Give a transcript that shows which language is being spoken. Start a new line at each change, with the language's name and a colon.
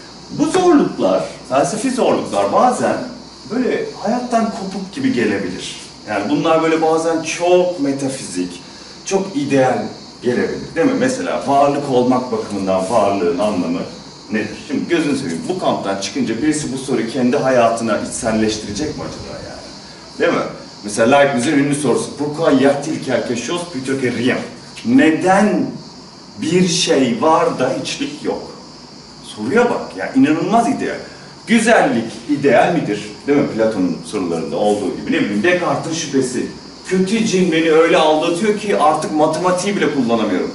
Turkish: Bu zorluklar, felsefi zorluklar bazen böyle hayattan kopuk gibi gelebilir. Yani bunlar böyle bazen çok metafizik, çok ideal gelebilir, değil mi? Mesela varlık olmak bakımından varlığın anlamı nedir? Şimdi gözünü seveyim, bu kamptan çıkınca birisi bu soruyu kendi hayatına içselleştirecek mi acaba yani? Değil mi? Mesela Leibniz'in ünlü sorusu,
French: Pourquoi y a-t-il quelque chose plutôt que rien?
Turkish: Neden bir şey var da hiçlik yok? Soruya bak, ya inanılmaz ideal. Güzellik ideal midir? Değil mi? Platon'un sorularında olduğu gibi. Ne bileyim, Descartes'in şüphesi. Kötü cin beni öyle aldatıyor ki artık matematiği bile kullanamıyorum.